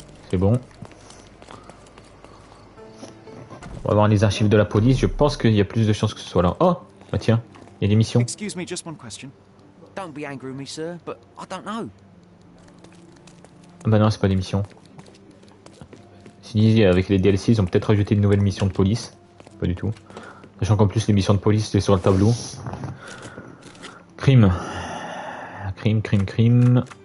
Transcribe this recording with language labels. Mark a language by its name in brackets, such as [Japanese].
[French] C'est bon. On va voir les archives de la police, je pense qu'il y a plus de chances que ce soit là. Oh, bah tiens, il y a des missions. [English] Excuse me, just one question. Don't be angry with me, sir, but I don't know. [French] Ah bah non, c'est pas des missions. Si avec les DLC, ils ont peut-être ajouté de nouvelles missions de police. Pas du tout. Sachant qu'en plus, les missions de police, c'était sur le tableau. Crime. Crime, crime, crime.